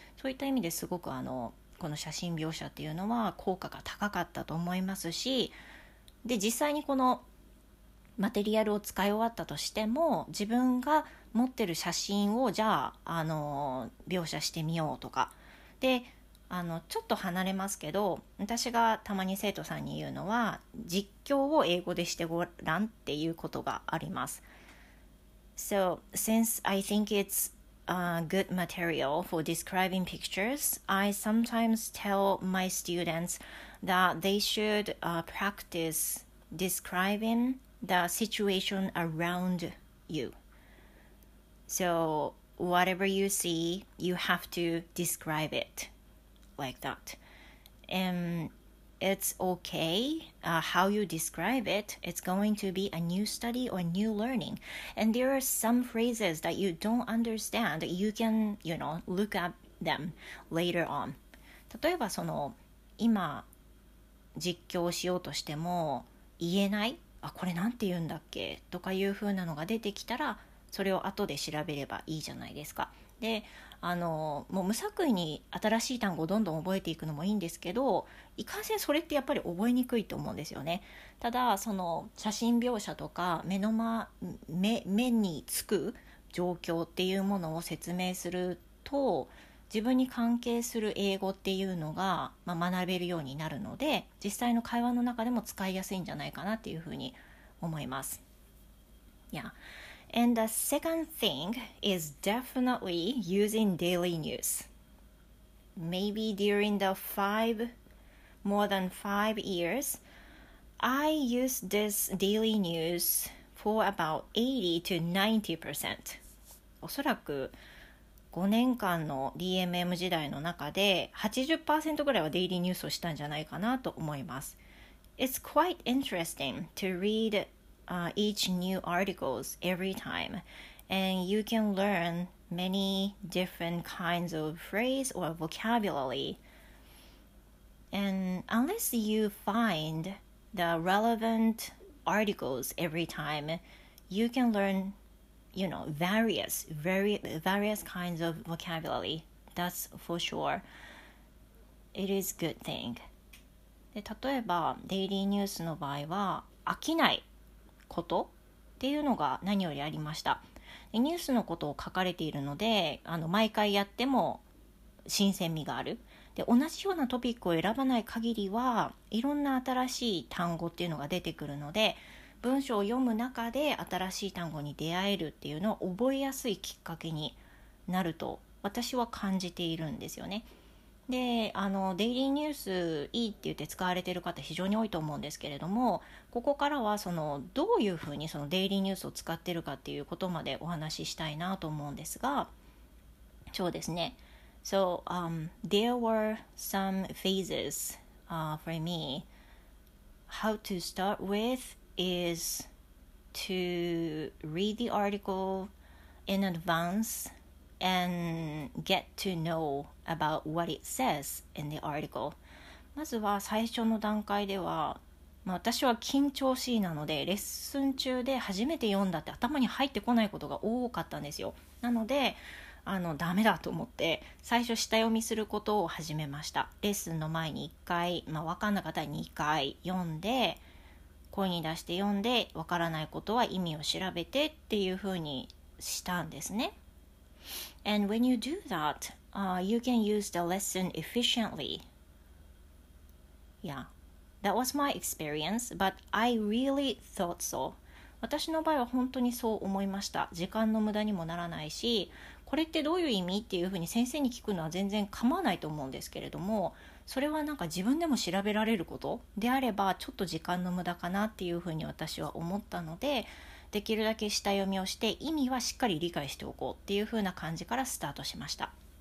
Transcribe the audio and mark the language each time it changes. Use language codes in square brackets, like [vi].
[ja] そういった意味ですごくこの写真描写っていうのは効果が高かったと思いますし、で、実際にこのマテリアルを使い終わったとしても、自分が持ってる写真をじゃあ描写してみようとかで、ちょっと離れますけど、私がたまに生徒さんに言うのは、実況を英語でしてごらんっていうことがあります。 [en] So since I think it's good material for describing pictures, I sometimes tell my students that they should practice describing the situation around you. So whatever you see, you have to describe it like that. And it's okay how you describe it. It's going to be a new study or new learning. And there are some phrases that you don't understand. You can, you know, look up them later on. [ja] 例えばその今実況しようとしても言えない、あ、これなんて言うんだっけとかいう風なのが出てきたら、それを後で調べればいいじゃないですか。で、もう無作為に新しい単語をどんどん覚えていくのもいいんですけど、いかんせんそれってやっぱり覚えにくいと思うんですよね。ただその写真描写とか目につく状況っていうものを説明すると、自分に関係する英語っていうのが、まあ、学べるようになるので、実際の会話の中でも使いやすいんじゃないかなっていうふうに思います。 [en] Yeah. And the second thing is definitely using daily news. Maybe during the more than five years, I use this daily news for about 80-90%. [ja] おそらく5年間の DMM 時代の中で 80% ぐらいはデイリーニュースをしたんじゃないかなと思います。 [en] It's quite interesting to read each new articles every time, and you can learn many different kinds of phrase or vocabulary. And unless you find the relevant articles every time, you can learnyou know, various kinds of vocabulary. That's for sure. It is good thing. [ja] で、例えばデイリーニュースの場合は飽きないことっていうのが何よりありました。で、ニュースのことを書かれているので、毎回やっても新鮮味がある。で、同じようなトピックを選ばない限りはいろんな新しい単語っていうのが出てくるので、文章を読む中で新しい単語に出会えるっていうのを覚えやすいきっかけになると私は感じているんですよね。で、デイリーニュースいいって言って使われている方非常に多いと思うんですけれども、ここからはそのどういうふうにそのデイリーニュースを使っているかっていうことまでお話ししたいなと思うんですが、そうですね。 [en] So, there were some phases for me. How to start withis to read the article in advance and get to know about what it says in the article. [ja] まずは最初の段階では、まあ、私は緊張しいなので、レッスン中で初めて読んだって頭に入ってこないことが多かったんですよ。なので、ダメだと思って最初下読みすることを始めました。レッスンの前に1回、まあ、分かんなかったら2回読んで、声に出して読んで、わからないことは意味を調べてっていうふうにしたんですね。 [en] And when you do that, you can use the lesson efficiently. Yeah, that was my experience, but I really thought so. [ja] 私の場合は本当にそう思いました。時間の無駄にもならないし、これってどういう意味っていうふうに先生に聞くのは全然構わないと思うんですけれども、それはなんか自分でも調べられることであれば、ちょっと時間の無駄かなっていうふうに私は思ったので、できるだけ下読みをして意味はしっかり理解しておこうっていうふうな感じからスタートしました。